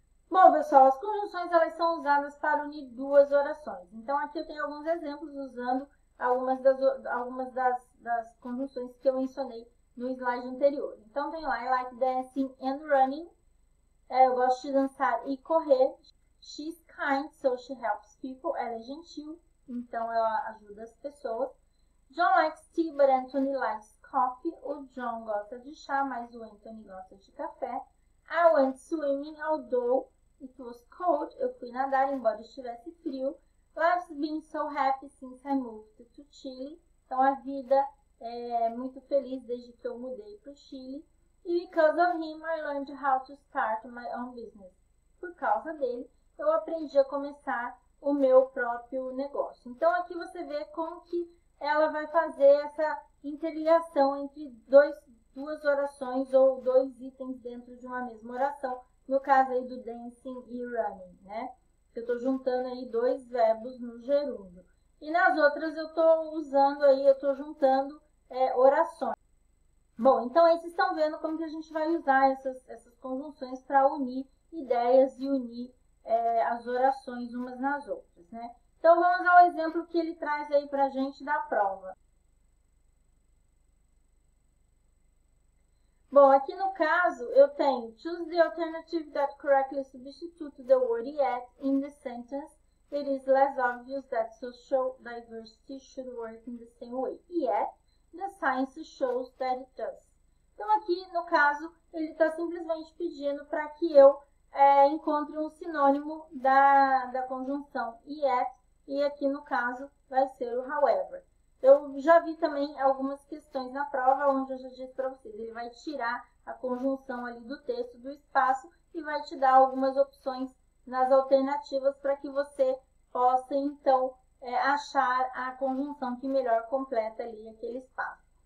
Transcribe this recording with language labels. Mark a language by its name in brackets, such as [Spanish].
[Portuguese] Bom, pessoal, as conjunções elas são usadas para unir duas orações. Então, aqui eu tenho alguns exemplos usando algumas das conjunções que eu mencionei no slide anterior. Então, tem lá, [English] I like dancing and running. [Portuguese] Eu gosto de dançar e correr. [English] She's kind, so she helps people. [Portuguese] Ela é gentil, então ela ajuda as pessoas. [English] John likes tea, but Anthony likes coffee. [Portuguese] O John gosta de chá, mas o Anthony gosta de café. [English] I went swimming, although it was cold. [Portuguese] Eu fui nadar, embora estivesse frio. [English] Life's been so happy since I moved to Chile. [Portuguese] Então, a vida é muito feliz desde que eu mudei para o Chile. [English] E because of him, I learned how to start my own business. [Portuguese] Por causa dele, eu aprendi a começar o meu próprio negócio. Então, aqui você vê como que ela vai fazer essa interligação entre duas orações ou dois itens dentro de uma mesma oração, no caso aí do dancing e running, né? Eu estou juntando aí dois verbos no gerúndio. E nas outras eu estou usando aí, eu estou juntando orações. Bom, então aí vocês estão vendo como que a gente vai usar essas conjunções para unir ideias e unir as orações umas nas outras, né? Então vamos ao exemplo que ele traz aí para a gente da prova. Bom, aqui no caso eu tenho [English] choose the alternative that correctly substitutes the word yet in the sentence. It is less obvious that social diversity should work in the same way. Yet, the science shows that it does. [Portuguese] Então, aqui, no caso, ele está simplesmente pedindo para que eu encontre um sinônimo da conjunção yet, e aqui, no caso, vai ser o however. Eu já vi também algumas questões na prova, onde eu já disse para vocês, ele vai tirar a conjunção ali do texto, do espaço, e vai te dar algumas opções nas alternativas para que você possa, então, achar a conjunção que melhor completa ali aquele espaço.